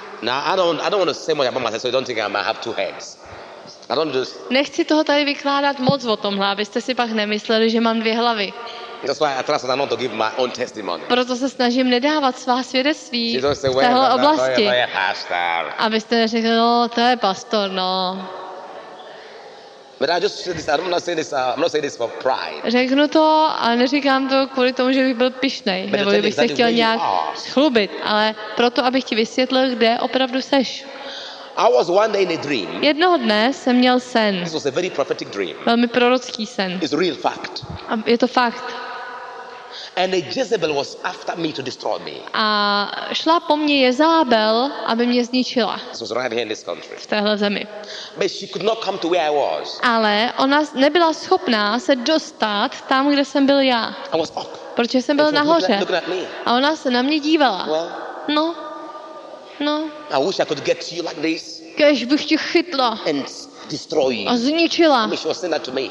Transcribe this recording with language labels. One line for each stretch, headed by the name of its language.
English: Now I don't want to say much about myself, so you don't think I have two heads. I don't just.
Czech: Nechci toho tady vykládat moc o tomhle, abyste si pak nemysleli, že mám dvě hlavy.
English: That's why I trust that I'm not to give my own testimony.
Czech: Proto se snažím nedávat svá svědectví v téhle oblasti. Abyste neřekli, no, to je pastor, no.
English: But I just said this. I'm not saying this. I'm not saying this for pride.
Czech: Řeknu to, ale neříkám to kvůli tomu, že bych byl pyšnej, nebo bych
English: exactly
Czech: se chtěl nějak chlubit, ale proto, abych ti vysvětlil, kde opravdu seš.
English: I was one day in a dream.
Czech: Jednoho dne jsem měl sen.
English: This was a very prophetic dream.
Czech: Velmi prorocký sen.
English: It's a real fact.
Czech: A je to fakt.
English: And Jezebel was after me to destroy me.
Czech: A šla po mně Jezábel, aby mě zničila.
English: This was right here in this country.
Czech: V téhle zemi.
English: But she could not come to where I was.
Czech: Ale ona nebyla schopná se dostat tam, kde jsem byl já.
English: I was up.
Czech: Protože jsem byl nahoře.
English: Looking at me.
Czech: A ona se na mě dívala.
English: Well,
Czech: no. No.
English: I wish I could get to you like this.
Czech: Kéž bych tě chytla.
English: And destroy you.
Czech: A zničila.
English: I mean, she was saying that to me.